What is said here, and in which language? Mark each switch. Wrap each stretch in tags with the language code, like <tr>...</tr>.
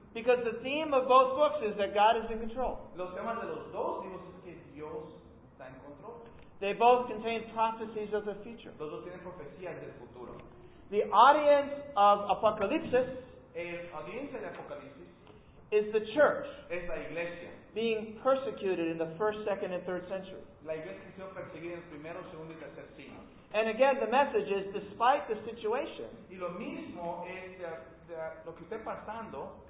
<en>Because the theme of both books is that God is in control.</en> <es>Los temas de los dos libros es que Dios está en control.</es> <en>They both contain prophecies of the future.</en> <es>Los dos tienen profecías del futuro.</es> <en>The audience of Apocalipsis,</en> <es>el audiencia de Apocalipsis</es> <en>is the church,</en> <es>es la iglesia,</es> <en>being persecuted in the first, second, and third century.</en> <es>La iglesia siendo perseguida en el primero, segundo y tercer siglo.</es> <en>And again, the message is, despite the situation,</en> <es>y lo mismo es de lo que esté pasando,</es>